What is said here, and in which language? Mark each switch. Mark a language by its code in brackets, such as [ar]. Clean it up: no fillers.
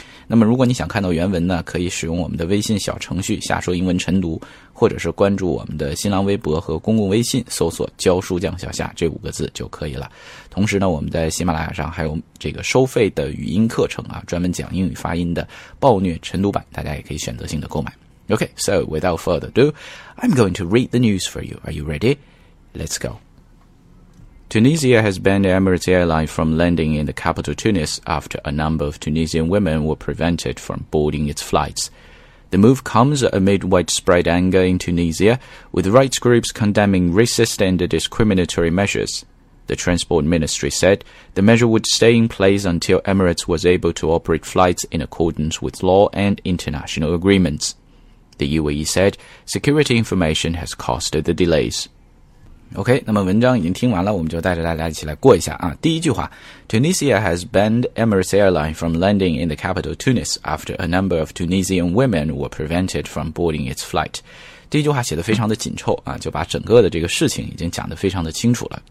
[zh] 那么如果你想看到原文呢，可以使用我们的微信小程序下说英文晨读，或者是关注我们的新浪微博和公共微信，搜索教书匠小夏这五个字就可以了。同时呢，我们在喜马拉雅上还有这个收费的语音课程啊，专门讲英语发音的暴虐晨读版，大家也可以选择性的购买。 [en] Okay, so without further ado, I'm going to read the news for you. Are you ready? Let's go. Tunisia has banned Emirates Airline from landing in the capital Tunis after a number of Tunisian women were prevented from boarding its flights. The move comes amid widespread anger in Tunisia, with rights groups condemning racist and discriminatory measures. The transport ministry said the measure would stay in place until Emirates was able to operate flights in accordance with law and international agreements. The UAE said security information has caused the delays. [zh] OK, 那么文章已经听完了，我们就带着大家一起来过一下啊。第一句话， [en] Tunisia has banned Emirates Airline from landing in the capital Tunis after a number of Tunisian women were prevented from boarding its flight. [zh] 第一句话写得非常的紧凑啊，就把整个的这个事情已经讲得非常的清楚了。